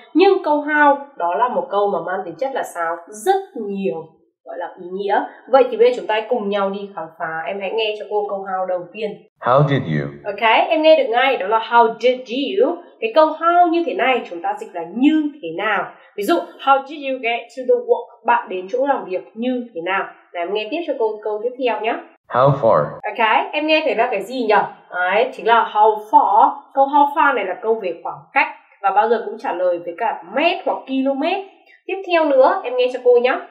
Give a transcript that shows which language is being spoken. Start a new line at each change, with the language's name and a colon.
Vietnamese: Nhưng câu how đó là một câu mà mang tính chất là sao? Rất nhiều gọi là ý nghĩa. Vậy thì bây giờ chúng ta cùng nhau đi khám phá. Em hãy nghe cho cô câu how đầu tiên.
English: How did you?
Vietnamese: Ok, em nghe được ngay, đó là
English: how did you?
Vietnamese: Cái câu how như thế này chúng ta dịch là như thế nào? Ví dụ,
English: how did you get to the work?
Vietnamese: Bạn đến chỗ làm việc như thế nào? Để em nghe tiếp cho cô câu tiếp theo nhé.
English: How far?
Vietnamese: Ok, em nghe thấy là cái gì nhỉ? Đấy, chính là
English: how far.
Vietnamese: Câu
English: how far
Vietnamese: này là câu về khoảng cách và bao giờ cũng trả lời với cả mét hoặc km. Tiếp theo nữa, em nghe cho cô nhé.